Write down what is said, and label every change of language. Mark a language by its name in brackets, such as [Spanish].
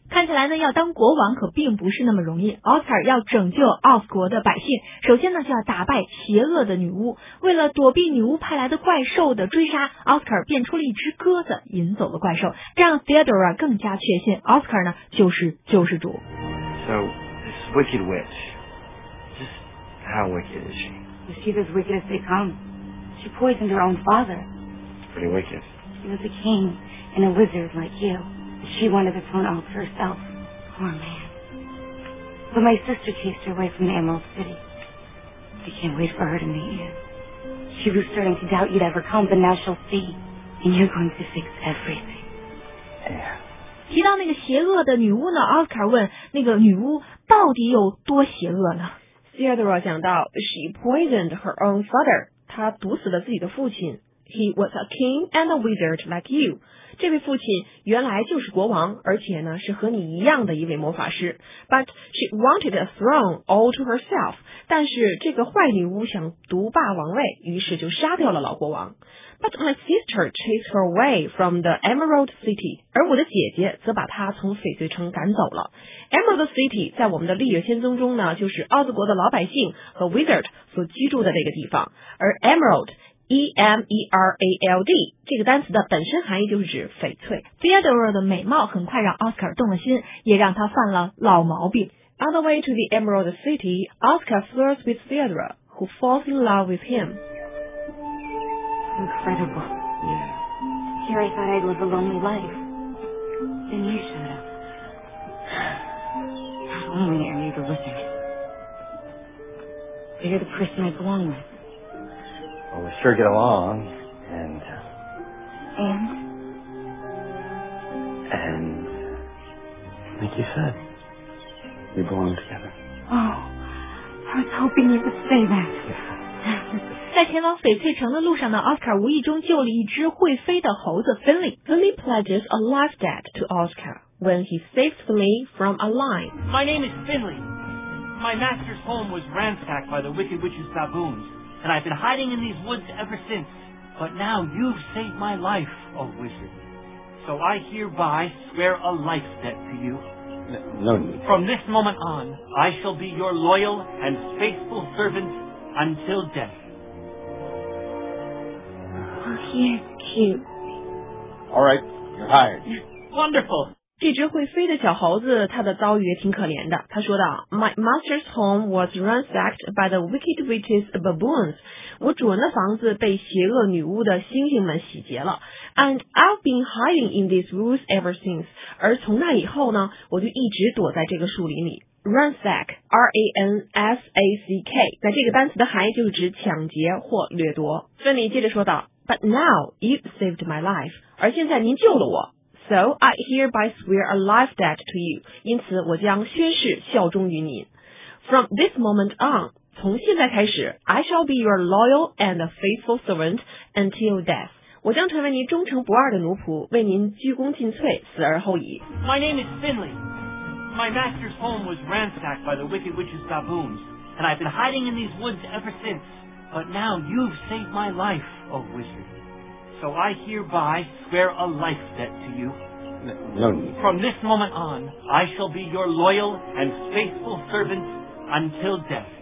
[Chinese] 看起来呢要当国王可并不是那么容易。奥斯卡要拯救奥斯国的百姓，首先呢就要打败邪恶的女巫。为了躲避女巫派来的怪兽的追杀，奥斯卡变出了一只鸽子引走了怪兽，让 Theodora 更加确信奥斯卡呢就是救世主。 [English] So this wicked witch, just how wicked is she? Is she as wicked as they come? She poisoned her own father. Pretty wicked. She was a king and a wizard like you. She wanted the throne all to herself. Poor man. But my sister chased her away from the Emerald City. I can't wait for her to meet you. She was starting to doubt you'd ever come, but now she'll see. And you're going to fix everything. Yeah. [Chinese] 提到那个邪恶的女巫呢，奥斯卡问那个女巫到底有多邪恶呢？ Theodore 讲到 [English] She poisoned her own father. [Chinese] 她毒死了自己的父亲。 [English] He was a king and a wizard like you. [Chinese] 这位父亲原来就是国王，而且呢是和你一样的一位魔法师。 [English] But she wanted a throne all to herself. [Chinese] 但是这个坏女巫想独霸王位，于是就杀掉了老国王。 [English] But my sister chased her away from the Emerald City. [Chinese] 而我的姐姐则把她从翡翠城赶走了。 Emerald City 在我们的历史先宗中呢，就是奥斯国的老百姓和 wizard 所居住的那个地方。而 Emerald。 E-M-E-R-A-L-D 这个单词的本身含义就是指翡翠。 Theodora 的美貌很快让 Oscar 动了心，也让他犯了老毛病。 [English] On the way to the Emerald City, Oscar flirts with Theodora, who falls in love with him. Incredible. Yeah. Here I thought I'd live a lonely life. Then you showed up. Not only are you the wizard, but you're the person I belong with. Well, we sure get along, and... And? And, like you said, we belong together. Oh, I was hoping you would say that. Yeah. [Chinese] 在前往翡翠城的路上呢，奥斯卡无意中救了一只会飞的猴子芬利。 [English] Finley pledges a life debt to Oscar when he saves Finley from a lion. My name is Finley. My master's home was ransacked by the Wicked Witch's baboons. And I've been hiding in these woods ever since. But now you've saved my life, oh wizard. So I hereby swear a life debt to you. No. From this moment on, I shall be your loyal and faithful servant until death. Oh, he is cute. All right, you're hired. Wonderful. [Chinese] 这只会飞的小猴子他的遭遇也挺可怜的。他说道， [English] My master's home was ransacked by the wicked witch's baboons. [Chinese] 我主人的房子被邪恶女巫的猩猩们洗劫了。 [English] And I've been hiding in these woods ever since. [Chinese] 而从那以后呢，我就一直躲在这个树林里。 Ransack, R-A-N-S-A-C-K, 那这个单词的含义就是指抢劫或掠夺。芬妮接着说道， [English] But now you've saved my life. [Chinese] 而现在您救了我。 [English] So I hereby swear a life debt to you. [Chinese] 因此我将宣誓效忠于您。 [English] From this moment on, [Chinese] 从现在开始 [English] I shall be your loyal and faithful servant until death. [Chinese] 我将成为您忠诚不二的奴仆，为您鞠躬尽瘁，死而后已。 [English] My name is Finley. My master's home was ransacked by the wicked witch's baboons, and I've been hiding in these woods ever since. But now you've saved my life, O wizard. So I hereby swear a life debt to you. No need. From this moment on, I shall be your loyal and faithful servant until death.